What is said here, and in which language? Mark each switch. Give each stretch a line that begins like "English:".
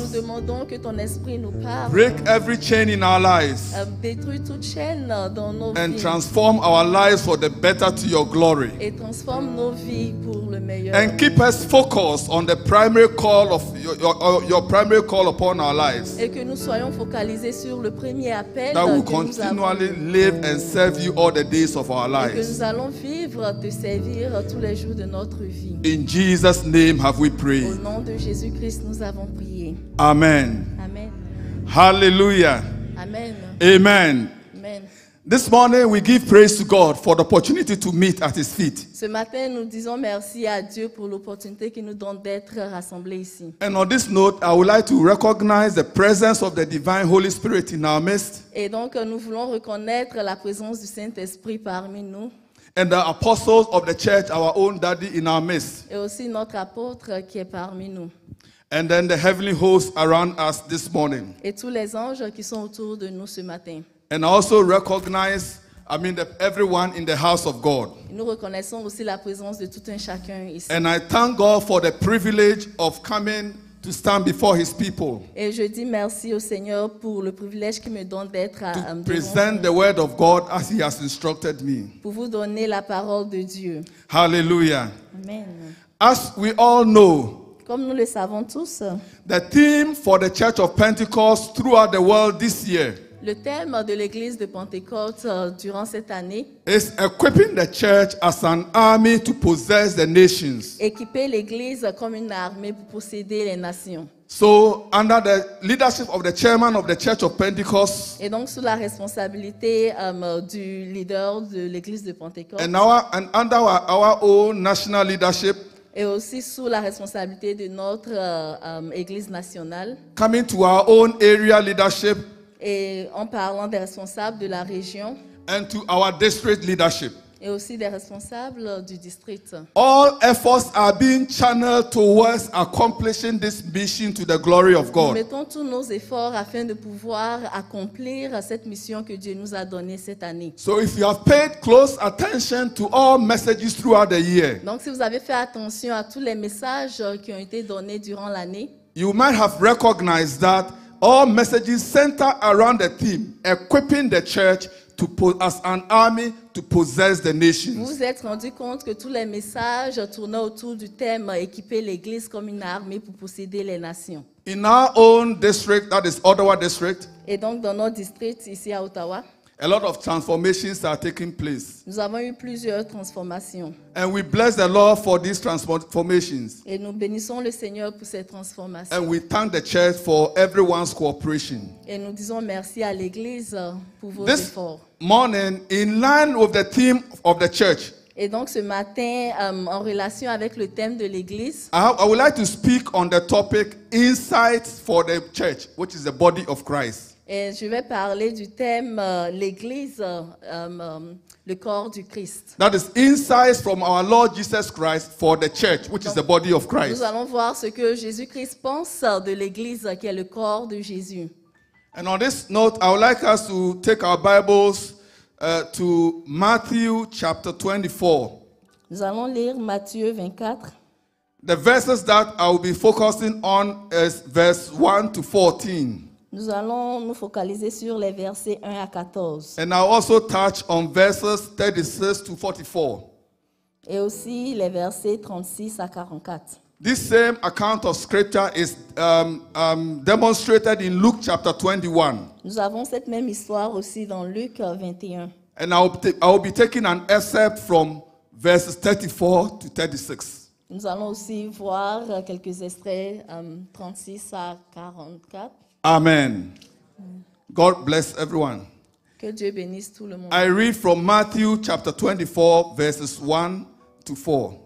French: Nous demandons que ton esprit nous parle.
English: Break every chain in our lives.
French: Détruis toute chaîne dans nos vies.
English: And transform our lives for the better to your glory.
French: Et transforme nos vies pour le meilleur.
English: And keep us focused on the primary call of your primary call upon our lives.
French: Et que nous soyons focalisés sur le premier appel
English: that we continually live and serve you all the days of our lives.
French: Et que nous allons vivre te servir tous les jours de notre vie.
English: In Jesus' name have we prayed.
French: Au nom de Jésus-Christ, nous avons prié. Amen. Amen. Hallelujah. Amen. Amen. Amen.
English: This morning we give praise to God for the opportunity to meet at His feet.
French: Ce matin, nous disons merci à Dieu pour l'opportunité qu'il nous donne d'être rassemblés ici.
English: And on this note, I would like to recognize the presence of the divine Holy Spirit in our midst.
French: Et donc, nous voulons reconnaître la présence du Saint-Esprit parmi nous.
English: and the apostles of the church, our own daddy in our midst.
French: Et aussi notre apôtre qui est parmi nous.
English: And then the heavenly hosts around us this morning.
French: Et tous les anges qui sont autour de nous ce matin.
English: And I also recognize, everyone in the house of God.
French: Nous reconnaissons aussi la présence de tout un chacun ici.
English: And I thank God for the privilege of coming to stand before his people.
French: Et je dis merci au Seigneur pour le privilège qu'il me donne d'être à
English: to present the word of God as he has instructed me.
French: Pour vous donner la parole de Dieu. Hallelujah. Amen.
English: As we all know,
French: comme nous le savons tous,
English: the theme for the Church of Pentecost throughout the world this year,
French: le thème de l'église de Pentecôte durant cette année,
English: is equipping the church as an army to possess the nations.
French: Équiper l'église comme une armée pour posséder les nations.
English: So, under the leadership of the chairman of the Church of Pentecost,
French: et donc sous la responsabilité du leader de l'église de Pentecôte,
English: and under our own national leadership,
French: et aussi sous la responsabilité de notre église nationale,
English: coming to our own area leadership,
French: et en parlant des responsables de la région,
English: and to our district leadership,
French: et aussi des responsables du district,
English: all efforts are being channeled towards accomplishing this mission to the glory of God.
French: Nous mettons tous nos efforts afin de pouvoir accomplir cette mission que Dieu nous a donnée cette année.
English: So if you have paid close attention to all messages throughout the year,
French: donc si vous avez fait attention à tous les messages qui ont été donnés durant l'année,
English: you might have recognized that all messages center around the theme, equipping the church to as an army to possess the nations.
French: Vous êtes rendu compte que tous les messages tournaient autour du thème équiper l'église comme une armée pour posséder les nations.
English: In our own district, that is Ottawa district,
French: et donc dans notre district ici à Ottawa,
English: a lot of transformations are taking place.
French: Nous avons eu plusieurs transformations.
English: And we bless the Lord for these transformations.
French: Et nous bénissons le Seigneur pour ces transformations.
English: And we thank the church for everyone's cooperation.
French: Et nous disons merci à l'église pour vos
English: this
French: efforts.
English: This morning, in line with the theme of the church,
French: et donc ce matin, en relation avec le thème de l'église,
English: I would like to speak on the topic insights for the church, which is the body of Christ.
French: Et je vais parler du thème l'église le corps du Christ.
English: That is insights from our Lord Jesus Christ for the church, which
French: donc,
English: is the body of Christ.
French: Nous allons voir ce que Jésus-Christ pense de l'église qui est le corps de Jésus.
English: And on this note, I would like us to take our Bibles to Matthew chapter 24.
French: Nous allons lire Matthieu 24.
English: The verses that I will be focusing on is verse 1 to 14.
French: Nous allons nous focaliser sur les versets 1 à 14.
English: And I also touch on verses 36 to 44.
French: Et aussi les versets 36 à 44.
English: This same account of scripture is demonstrated in Luke chapter 21.
French: Nous avons cette même histoire aussi dans Luc 21.
English: And I will be taking an excerpt from verses 34 to 36.
French: Nous allons aussi voir quelques extraits 36 à 44.
English: Amen. God bless everyone.
French: Que Dieu bénisse tout le monde.
English: I read from Matthew chapter 24, verses 1 to 4.